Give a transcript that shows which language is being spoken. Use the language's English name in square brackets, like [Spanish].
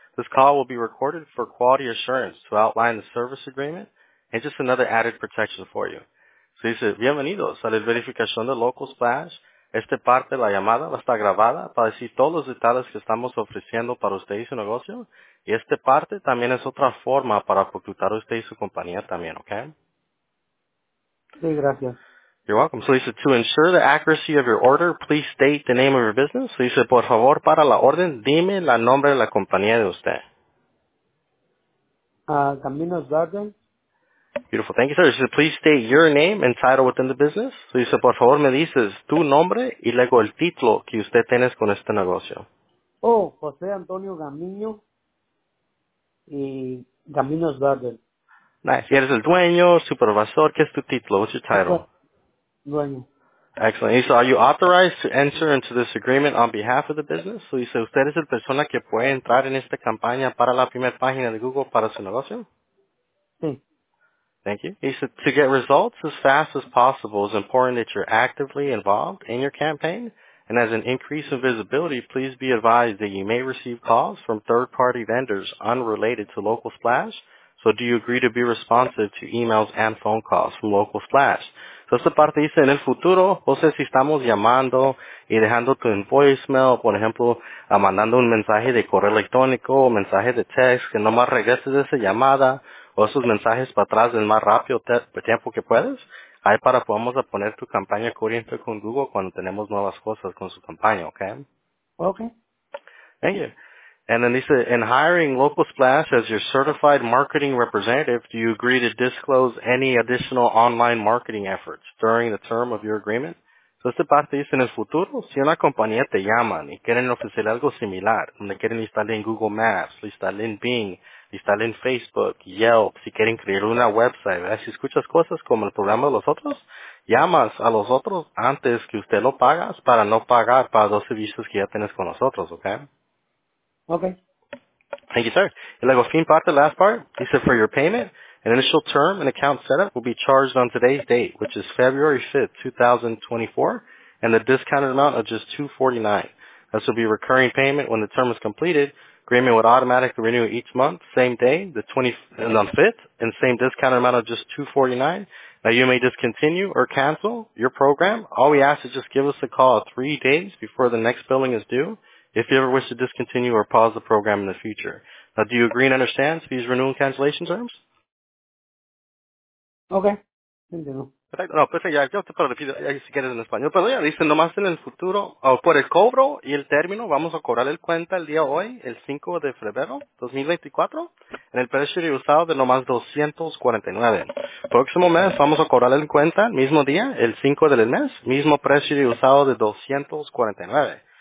[English] This call will be recorded for quality assurance to outline the service agreement and just another added protection for you. [Spanish] Lisa, bienvenidos a la verificación de Local Splash. Esta parte de la llamada va a estar grabada para decir todos los detalles que estamos ofreciendo para usted y su negocio. Y esta parte también es otra forma para ocultar usted y su compañía también, ¿ok? Sí, gracias. [English] You're welcome. So he said, to ensure the accuracy of your order, please state the name of your business. So he said, [Spanish] por favor, para la orden, dime la nombre de la compañía de usted. Caminos Garden. [English] Beautiful. Thank you, sir. He said, please state your name and title within the business. So he said, [Spanish] por favor, me dices tu nombre y luego el título que usted tienes con este negocio. Oh, José Antonio Gamiño y Caminos Garden. [English] Nice. [Spanish] Y eres el dueño, supervisor. ¿Qué es tu título? [English] What's your title? Okay. [Spanish] Bueno. [English] Excellent. He said, are you authorized to enter into this agreement on behalf of the business? So he said, [Spanish] ¿usted es el persona que puede entrar en esta campaña para la primera página de Google para su negocio? Sí. [English] Thank you. He said, to get results as fast as possible, it's important that you're actively involved in your campaign. And as an increase in visibility, please be advised that you may receive calls from third-party vendors unrelated to Local Splash. So do you agree to be responsive to emails and phone calls from Local Splash? [Spanish] So esta parte dice, en el futuro, José, si estamos llamando y dejando tu voicemail, por ejemplo, mandando un mensaje de correo electrónico o mensaje de text, que nomás regreses de esa llamada o esos mensajes para atrás el más rápido tiempo que puedes, ahí para podamos poner tu campaña corriente con Google cuando tenemos nuevas cosas con su campaña, ¿okay? [English] Okay. Thank you. And then he said, in hiring Local Splash as your certified marketing representative, do you agree to disclose any additional online marketing efforts during the term of your agreement? [Spanish] So esta parte dice, en el futuro, si una compañía te llaman y quieren ofrecer algo similar, donde quieren instalar en Google Maps, instalar en Bing, instalar en Facebook, Yelp, si quieren crear una website, ¿verdad? Si escuchas cosas como el programa de los otros, llamas a los otros antes que usted lo pagas para no pagar para dos servicios que ya tienes con nosotros, ¿ok? [English] Okay. Thank you, sir. [Spanish] Y luego, [English] fin part, the last part, he said, for your payment, an initial term and account setup will be charged on today's date, which is February 5th, 2024, and the discounted amount of just $249. This will be recurring payment when the term is completed. Agreement would automatically renew each month, same day, the 20th, and the 5th, and same discounted amount of just $249. Now, you may discontinue or cancel your program. All we ask is just give us a call 3 days before the next billing is due. If you ever wish to discontinue or pause the program in the future. Now, do you agree and understand these renewal and cancellation terms? [Spanish] Okay. Entiendo. Perfecto. No, perfecto. Ya, yo te puedo repetir si quieres en español. Pero ya, dice, nomás en el futuro, por el cobro y el término, vamos a cobrar el cuenta el día hoy, el 5 de febrero 2024, en el precio de usado de nomás $249. Próximo mes, vamos a cobrar el cuenta, mismo día, el 5 del mes, mismo precio de usado de $249.